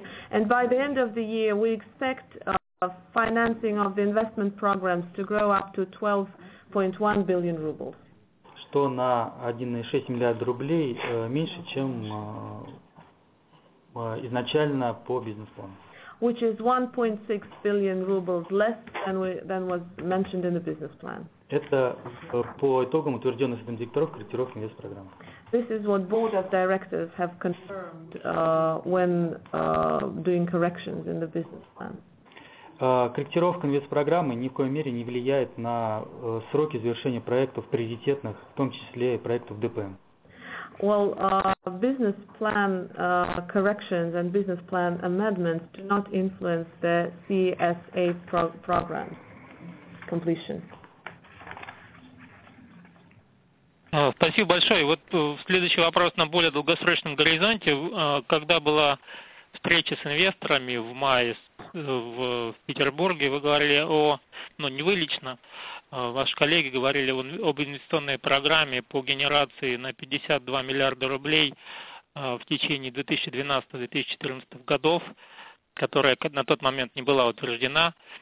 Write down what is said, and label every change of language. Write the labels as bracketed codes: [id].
[en] And by the end of the year we expect financing of the investment programs to grow up to 12.1 billion rubles. [ru] Что на 1,6 миллиарда рублей меньше, чем изначально по бизнес-плану. [en] Which is 1.6 billion rubles less than was mentioned in the business plan. [ru] Это по итогам утвержденных Советом директоров корректировок инвестпрограмм. [en] This is what board of directors have confirmed when doing corrections in the business plan. [ru] Корректировка инвестпрограммы ни в коей мере не влияет на сроки завершения проектов приоритетных, в том числе и проектов ДПМ. [en] Well, business plan corrections and business plan amendments do not influence the CSA program completion. [ru] Спасибо большое. Вот следующий вопрос на более долгосрочном горизонте. Когда была встреча с инвесторами в мае в Петербурге, вы говорили о, ну не вы лично, ваши коллеги говорили об инвестиционной программе по генерации на 52 миллиарда рублей в течение 2012-2014 годов, которая на тот момент не была утверждена.